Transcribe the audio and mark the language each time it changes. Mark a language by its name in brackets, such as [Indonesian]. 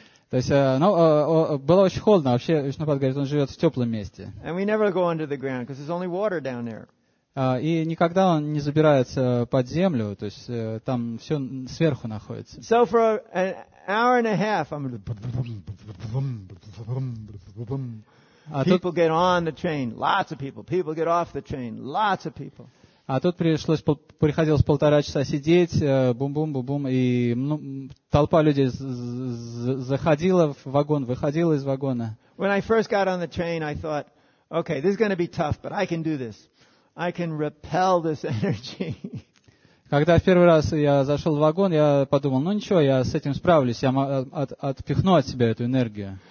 [Russian] То есть, ну, было очень холодно. Вообще, Вишнупад говорит, он живет в теплом месте. [English] And we never go under the ground because there's only water down there. [Russian] И никогда он не забирается под землю, то есть там все сверху находится. [English] So for an hour and a half, people get on the train, lots of people. People get off the train, lots of people. [Russian] А тут приходилось полтора часа сидеть, бум-бум-бум-бум, и ну, толпа людей заходила в вагон, выходила из вагона. [English] When I first got on the train, I thought, okay, this is going to be tough, but I can do this. I can repel this energy. [Russian] Когда в первый раз я зашел в вагон, я подумал, ну ничего, я с этим справлюсь, я отпихну от себя эту энергию.